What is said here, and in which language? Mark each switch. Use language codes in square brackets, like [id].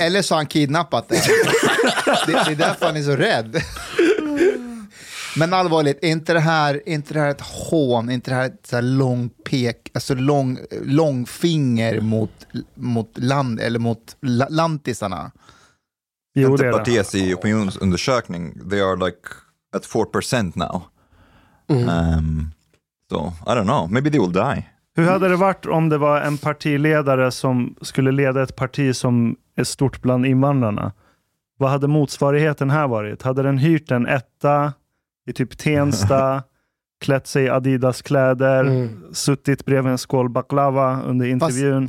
[sv] Eller så har han kidnappat den. Det är därför han är så rädd. Men allvarligt, inte det här ett hån, inte det här ett så här långfinger mot lantisarna. Jo, det är Partiets i opinionsundersökning, [en] they are like at 4% now. So I don't know, maybe they will die. [sv] Hur hade det varit om det var en partiledare som skulle leda ett parti som är stort bland invandrarna? Vad hade motsvarigheten här varit? Hade den hyrt en etta i typ Tensta, klätt sig i Adidas-kläder, suttit bredvid en skål baklava under intervjun?